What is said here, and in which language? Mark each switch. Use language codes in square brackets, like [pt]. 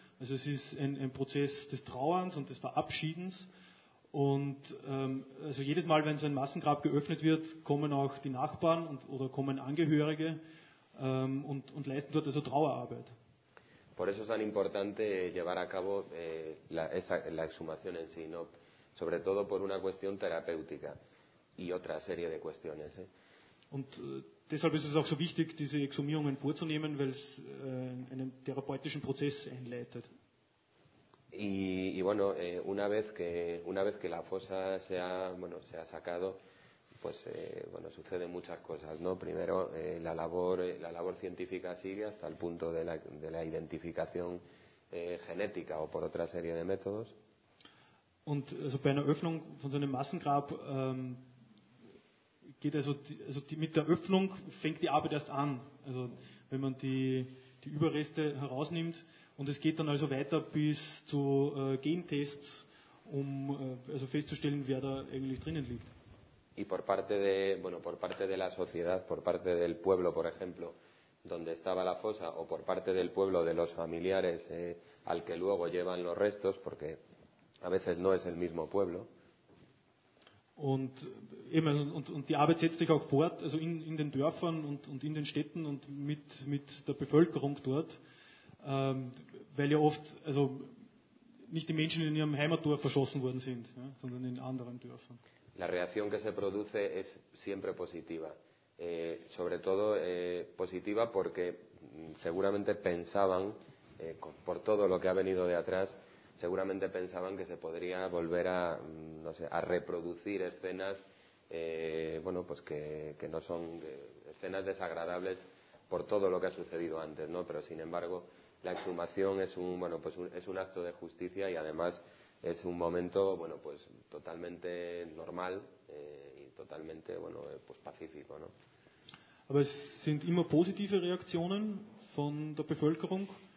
[de] Also es ist ein Prozess des Trauerns und des Verabschiedens. Und also jedes Mal, wenn so ein Massengrab geöffnet wird, kommen auch die Nachbarn oder kommen Angehörige und leisten dort also Trauerarbeit. [es] Por eso es tan importante llevar a cabo la exhumación en sí, ¿no? Sobre todo por una cuestión terapéutica y otra serie de cuestiones. [de] Und deshalb ist es auch so wichtig, diese Exhumierungen vorzunehmen, weil es einen therapeutischen Prozess einleitet. [es] Una vez que la fosa se ha sacado, pues suceden muchas cosas, ¿no? Primero, la labor científica sigue hasta el punto de la identificación genética o por otra serie de métodos. [de] Und also bei einer Öffnung von so einem Massengrab geht mit der Öffnung fängt die Arbeit erst an. Also wenn man die Überreste herausnimmt und es geht dann also weiter bis zu Gentests, um also festzustellen, wer da eigentlich drinnen liegt. [es] Y por parte de la sociedad, por parte del pueblo, por ejemplo, donde estaba la fosa, o por parte del pueblo de los familiares al que luego llevan los restos, porque a veces no es el mismo pueblo. [de] Und die Arbeit setzt sich auch fort, also in den Dörfern und in den Städten und mit der Bevölkerung dort, weil ja oft also nicht die Menschen in ihrem Heimatdorf verschossen worden sind, ja, sondern in anderen Dörfern. [es] La reacción que se produce es siempre positiva, sobre todo positiva porque seguramente pensaban, por todo lo que ha venido de atrás, seguramente pensaban que se podría volver a reproducir escenas, que no son escenas desagradables por todo lo que ha sucedido antes, ¿no? Pero sin embargo, la exhumación es un acto de justicia y además es un momento totalmente normal y totalmente pacífico, ¿no? [de] Aber es sind immer positive Reaktionen von der Bevölkerung.